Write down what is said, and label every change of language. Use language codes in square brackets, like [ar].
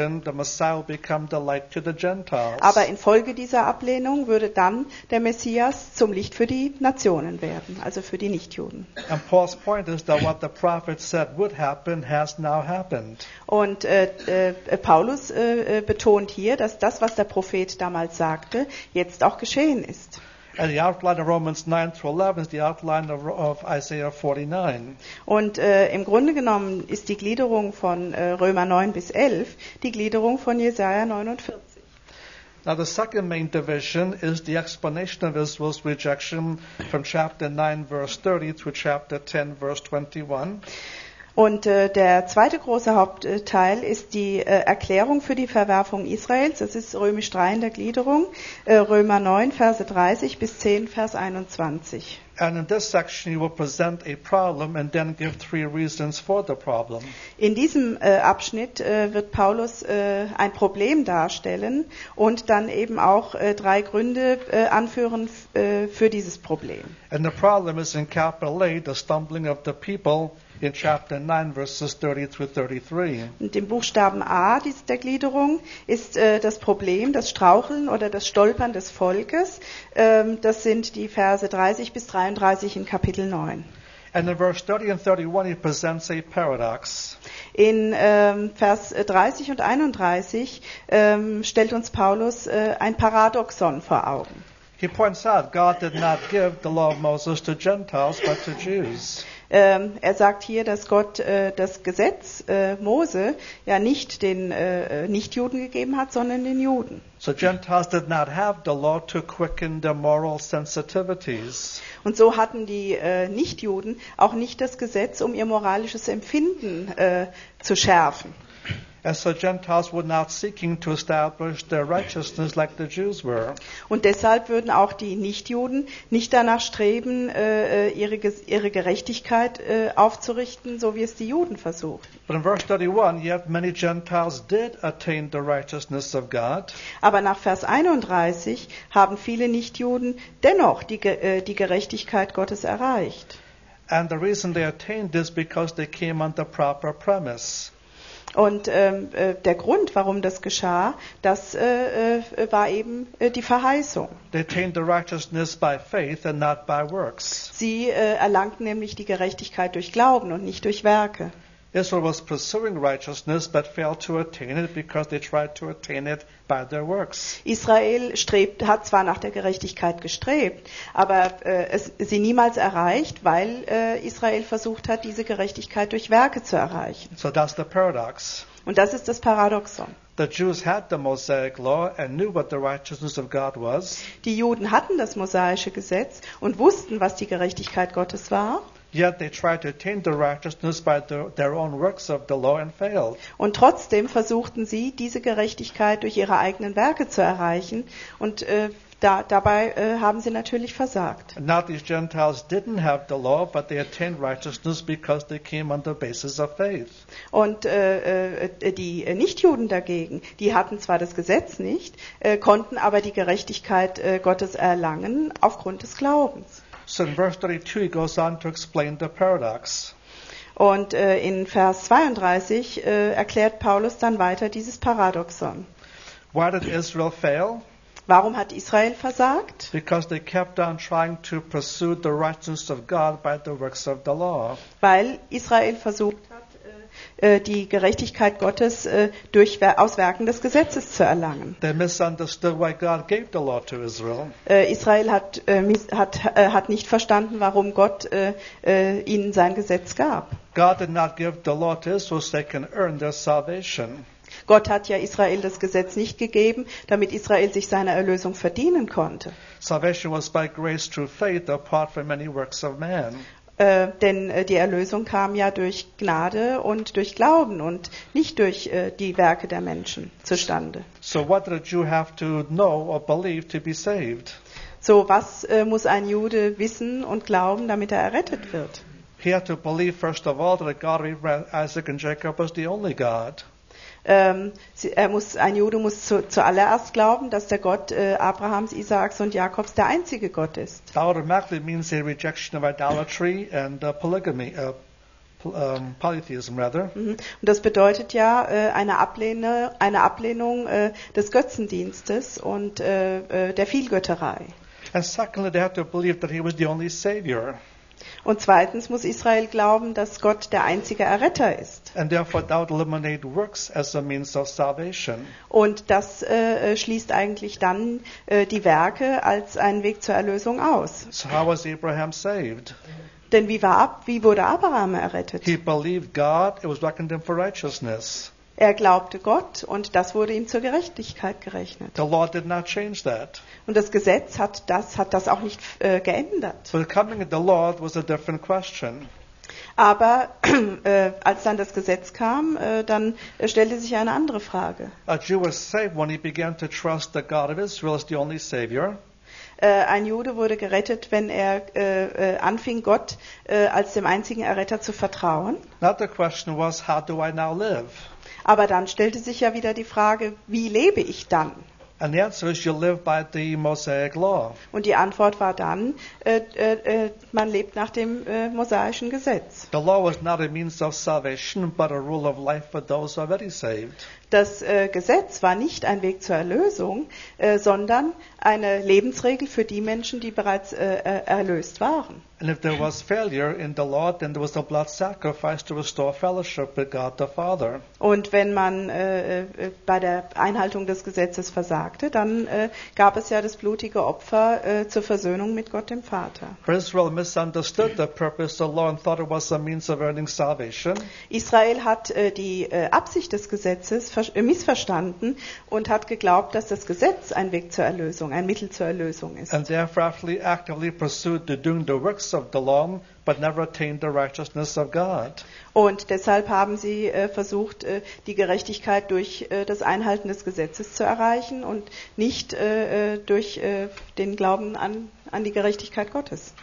[de] Aber infolge dieser Ablehnung würde dann der Messias zum Licht für die Nationen werden, also für die Nichtjuden. [en] And Paul's point is that what the prophet said would happen has now happened. [de] Und Paulus betont hier, dass das, was der Prophet damals sagte, jetzt auch geschehen ist. [en] And the outline of Romans 9 through 11 is the outline of Isaiah 49. [de] Und im Grunde genommen ist die Gliederung von Römer 9 bis 11 die Gliederung von Jesaja 49. [en] Now the second main division is the explanation of Israel's rejection from chapter 9 verse 30 to chapter 10 verse 21. [de] Und der zweite große Hauptteil ist die Erklärung für die Verwerfung Israels. Das ist Römisch 3 in der Gliederung, Römer 9, Verse 30 bis 10, Vers 21. [en] And in this section you will present a problem and then give three reasons for the problem. [de] In diesem Abschnitt wird Paulus ein Problem darstellen und dann eben auch drei Gründe anführen für dieses Problem. [en] And the problem is in capital A, the stumbling of the people. In chapter 9, verses 30 through 33. [de] Und im Buchstaben A der Gliederung ist das Problem, das Straucheln oder das Stolpern des Volkes. Das sind die Verse 30 bis 33 in Kapitel 9. [en] And in verse 30 and 31, he presents a paradox. [de] In Vers 30 und 31 stellt uns Paulus ein Paradoxon vor Augen. [en] He points out, God did not give the law of Moses to Gentiles, but to Jews. [de] Er sagt hier, dass Gott das Gesetz Mose ja nicht den Nichtjuden gegeben hat, sondern den Juden. [en] So Gentiles did not have the law to quicken their moral sensitivities. [de] Und so hatten die Nichtjuden auch nicht das Gesetz, um ihr moralisches Empfinden zu schärfen. [en] And so Gentiles were not seeking to establish their righteousness like the Jews were. [de] Und deshalb würden auch die Nichtjuden nicht danach streben, ihre Gerechtigkeit aufzurichten, so wie es die Juden versuchten. [en] But in verse 31, yet many Gentiles did attain the righteousness of God. [de] Aber nach Vers 31 haben viele Nichtjuden dennoch die Gerechtigkeit Gottes erreicht. [en] And the reason they attained is because they came on the proper premise. [de] Und der Grund, warum das geschah, das war eben die Verheißung. [en] They attained the righteousness by faith and not by works. [de] Sie erlangten nämlich die Gerechtigkeit durch Glauben und nicht durch Werke. [en] Israel was pursuing righteousness but failed to attain it because they tried to attain it by their works. [de] Israel hat zwar nach der Gerechtigkeit gestrebt, aber es sie niemals erreicht, weil Israel versucht hat, diese Gerechtigkeit durch Werke zu erreichen. [en] So that's the paradox. [de] Und das ist das Paradoxon. [en] The Jews had the Mosaic law and knew what the righteousness of God was. [de] Die Juden hatten das mosaische Gesetz und wussten, was die Gerechtigkeit Gottes war. [en] Yet they tried to attain the righteousness by their own works of the law and failed. [de] Und trotzdem versuchten sie, diese Gerechtigkeit durch ihre eigenen Werke zu erreichen, und dabei haben sie natürlich versagt. [en] Not these Gentiles didn't have the law, but they attained righteousness because they came on the basis of faith. [de] Und die Nichtjuden dagegen, die hatten zwar das Gesetz nicht, konnten aber die Gerechtigkeit Gottes erlangen aufgrund des Glaubens. [en] So in verse 32 he goes on to explain the paradox. [de] Und in Vers 32 erklärt Paulus dann weiter dieses Paradoxon. [en] Why did Israel fail? [de] Warum hat Israel versagt? [en] Because they kept on trying to pursue the righteousness of God by the works of the law. [de] Weil Israel versucht hat, die Gerechtigkeit Gottes aus Werken des Gesetzes zu erlangen. [en] They misunderstood why God gave the law to Israel. [de] Israel hat nicht verstanden, warum Gott ihnen sein Gesetz gab. [en] God did not give the law to Israel so they can earn their salvation. [de] Gott hat ja Israel das Gesetz nicht gegeben, damit Israel sich seine Erlösung verdienen konnte. [en] Salvation was by grace through faith, apart from any works of man. [de] Denn die Erlösung kam ja durch Gnade und durch Glauben und nicht durch die Werke der Menschen zustande. [en] So what did a Jew have to know or believe to be saved? [de] So was muss ein Jude wissen und glauben, damit er errettet wird? [en] He had to believe first of all that the God of Abraham, Isaac and Jacob was the only God. [de] Ein Jude muss zuallererst glauben, dass der Gott Abrahams, Isaaks und Jakobs der einzige Gott ist. [en] That automatically means a rejection of idolatry and polygamy, polytheism rather. [de] Und das bedeutet ja eine Ablehnung des Götzendienstes und der Vielgötterei. [en] And secondly, they had to believe that he was the only savior. [de] Und zweitens muss Israel glauben, dass Gott der einzige Erretter ist. [en] And therefore that would eliminate works as a means of salvation. [de] Und das schließt eigentlich dann die Werke als einen Weg zur Erlösung aus. [en] So how was Abraham saved? [de] Denn wie wurde Abraham errettet? [en] He believed God, it was reckoned him for righteousness. [de] Er glaubte Gott und das wurde ihm zur Gerechtigkeit gerechnet. [en] The law did not change that. [de] Und das Gesetz hat das auch nicht geändert. [en] Becoming the law was a different question. [de] Aber als dann das Gesetz kam, dann stellte sich eine andere Frage. [en] A Jew was saved when he began to trust that God of Israel is the only Savior. [de] Ein Jude wurde gerettet, wenn er anfing, Gott als dem einzigen Erretter zu vertrauen. [en] Not the question was, how do I now live? [de] Aber dann stellte sich ja wieder die Frage, wie lebe ich dann? [en] And the answer is, you live by the Mosaic law. [de] Und die Antwort war dann, man lebt nach dem mosaischen Gesetz. [en] The law was not a means of salvation, but a rule of life for those who are already saved. [de] Das Gesetz war nicht ein Weg zur Erlösung, sondern eine Lebensregel für die Menschen, die bereits erlöst waren. [en] And if there was failure in the law, then there was a blood sacrifice to restore fellowship with God the Father. [de] Und wenn man bei der Einhaltung des Gesetzes versagte, dann gab es ja das blutige Opfer zur Versöhnung mit Gott dem Vater. [en] Israel misunderstood the purpose of the law and thought it was a means of earning salvation. [de] Israel hat die Absicht des Gesetzes missverstanden und hat geglaubt, dass das Gesetz ein Weg zur Erlösung, ein Mittel zur Erlösung ist. [en] And therefore actively pursued the doing the works of the law, but never attained the righteousness of God. [de] Und deshalb haben sie versucht, die Gerechtigkeit durch das Einhalten des Gesetzes zu erreichen und nicht durch den Glauben an die Gerechtigkeit Gottes.